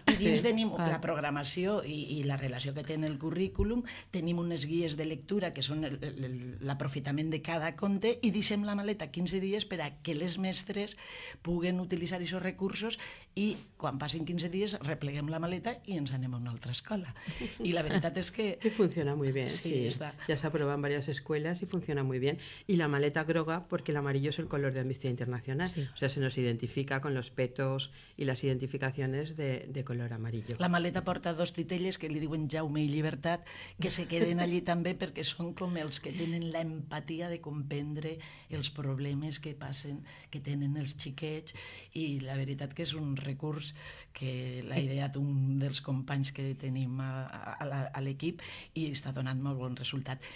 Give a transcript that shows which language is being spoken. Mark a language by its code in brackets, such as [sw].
[ca] I dins tenim la programació i la relació que té en el currículum, tenim unes guies de lectura que són l'aprofitament de cada conte i deixem la maleta 15 dies per a que les mestres puguen utilitzar aquests recursos i quan passin 15 dies repleguem la maleta i ens anem a una altra escola. I la veritat és que... I funciona molt bé, sí. Ja s'aprova en diverses escoles i funciona molt bé. I la maleta groga, perquè l'amarillo és el color de Amnistia Internacional. [es] Sí. O sea, se nos identifica con los petos y las identificaciones de color amarillo. [ca] La maleta porta dos titelles que li diuen Jaume i Llibertat, que se queden allí també perquè són com els que tenen la empatia de comprendre els problemes que passen, que tenen els xiquets, i la veritat que és un recurs que l'ha ideat un dels companys que tenim a l'equip i està donant molt bon resultat.